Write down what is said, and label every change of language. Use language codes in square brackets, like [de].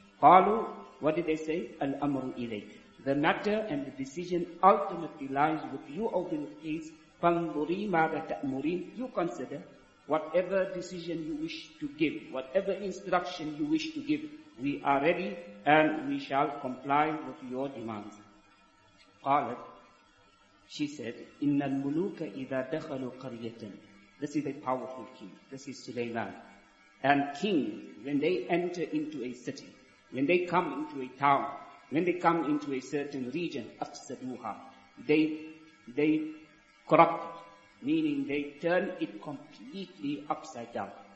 [ar] قَالُوا, [en] what did they say? [ar] Al-amru ilayk. [en] The matter and the decision ultimately lies with you, O Bilqis. [ar] فَانْظُرِي مَاذَا تَأْمُرِينَ. [en] You consider whatever decision you wish to give, whatever instruction you wish to give, we are ready and we shall comply with your demands. [ar] قَالَتْ, [en] she said, [ar] إِنَّ الْمُلُوكَ إِذَا دَخَلُوا قَرْيَةً. [en] This is a powerful king. This is Sulaiman. And king, when they enter into a city, when they come into a town, when they come into a certain region, [ar] أفسدوها, [en] they corrupt it, meaning they turn it completely upside down.